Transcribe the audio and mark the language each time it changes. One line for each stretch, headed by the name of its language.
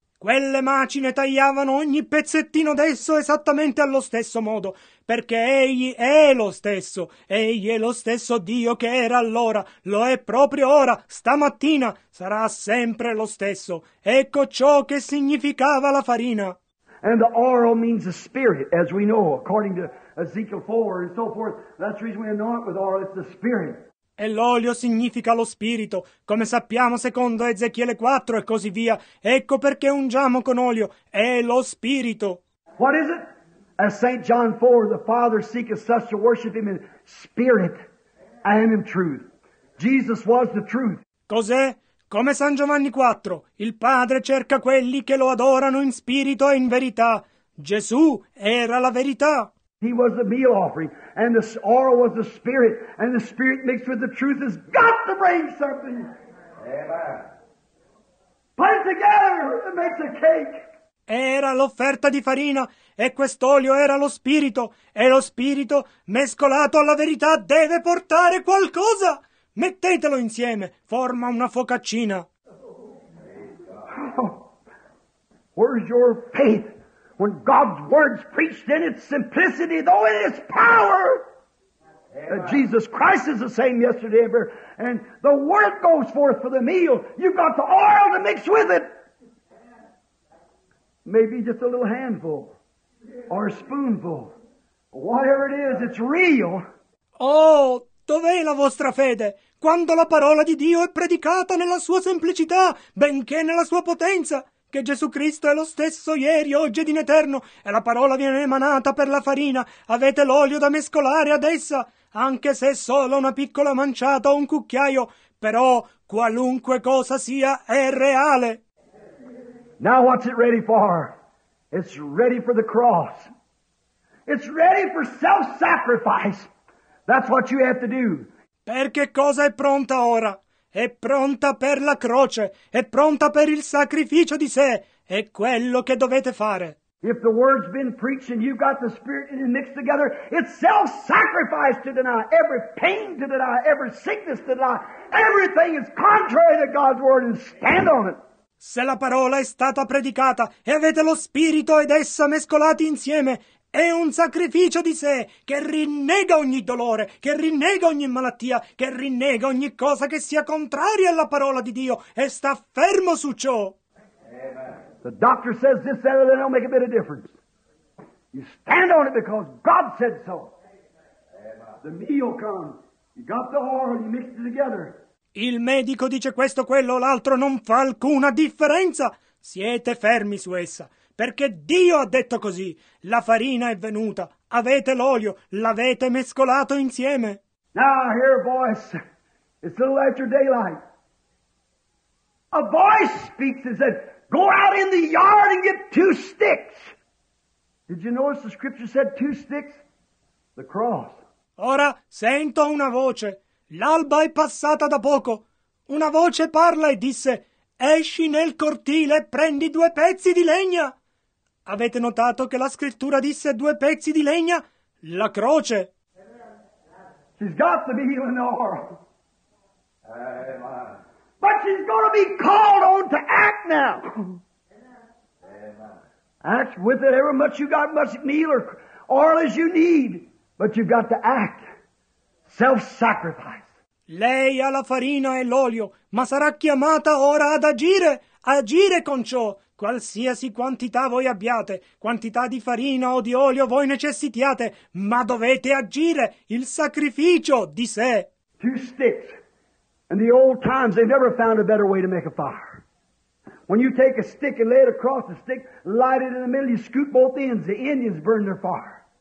Italian: Quelle macine tagliavano ogni pezzettino d'esso esattamente allo stesso modo, perché egli è lo stesso. Egli è lo stesso Dio che era allora, lo è proprio ora, stamattina, sarà sempre lo stesso. Ecco ciò che significava la farina.
English: And the oil means the spirit, as we know, according to Ezekiel 4 and so forth. That's the reason we anoint with oil, it's the spirit.
Italian: E l'olio significa lo spirito, come sappiamo secondo Ezechiele 4 e così via. Ecco perché ungiamo con olio, è lo spirito.
English: What is it? As St. John 4, the Father seeketh such to worship him in spirit and in truth. Jesus was the truth.
Italian: Cos'è? Come San Giovanni 4, il Padre cerca quelli che lo adorano in spirito e in verità. Gesù era la verità.
English: He was the meal offering, and the oil was the spirit, and the spirit mixed with the truth has got to bring something. Amen. Put it together, it makes a cake.
Italian: Era l'offerta di farina, e quest'olio era lo spirito, e lo spirito, mescolato alla verità, deve portare qualcosa. Mettetelo insieme, forma una focaccina.
English: Oh, where's your faith? When God's word's preached in its simplicity, though in its power, that Jesus Christ is the same yesterday and forever, and the word goes forth for the meal. You've got the oil to mix with it. Maybe just a little handful or a spoonful, Whatever it is, it's real.
Italian: Oh, dov'è la vostra fede? Quando la parola di Dio è predicata nella sua semplicità, benché nella sua potenza, che Gesù Cristo è lo stesso ieri, oggi ed in eterno, e la parola viene emanata per la farina, avete l'olio da mescolare ad essa, anche se è solo una piccola manciata o un cucchiaio, però qualunque cosa sia è reale.
English: Now what's it ready for? It's ready for the cross. It's ready for self-sacrifice. That's what you have to do.
Italian: Per che cosa è pronta ora? È pronta per la croce, è pronta per il sacrificio di sé, è quello che dovete fare.
English: If the word's been preached and you've got the spirit in it mixed together, it's self-sacrifice to deny, every pain to deny, every sickness to deny, everything is contrary to God's word and stand on it.
Italian: Se la parola è stata predicata e avete lo spirito ed essa mescolati insieme, è un sacrificio di sé che rinnega ogni dolore, che rinnega ogni malattia, che rinnega ogni cosa che sia contraria alla parola di Dio e sta fermo su ciò.
English: The doctor says this, that, and that don't make a bit of difference. You stand on it because God said so. The meal comes. You got the oil, you mixed it together.
Italian: Il medico dice questo, quello, l'altro, non fa alcuna differenza. Siete fermi su essa. Perché Dio ha detto così, la farina è venuta, avete l'olio, l'avete mescolato insieme.
English: Now I hear a voice, it's a little after daylight. A voice speaks and said, go out in the yard and get two sticks. Did you notice the scripture said two sticks? The cross.
Italian: Ora sento una voce, l'alba è passata da poco. Una voce parla e disse, esci nel cortile e prendi due pezzi di legna. Avete notato che la scrittura disse due pezzi di legna? La croce.
English: She's got to be in the world. But she's going to be called on to act now. Act with it ever much you got, much meal or oil as you need. But you've got to act. Self-sacrifice.
Italian: Lei ha la farina e l'olio, ma sarà chiamata ora ad agire. Agire con ciò. Qualsiasi quantità voi abbiate, quantità di farina o di olio voi necessitiate, ma dovete agire il sacrificio di sé.
English: Two sticks. In the old times they never found a better way to make a fire. When you take a stick and lay it across the stick, light it in the middle, you scoop both ends, the Indians burn their fire.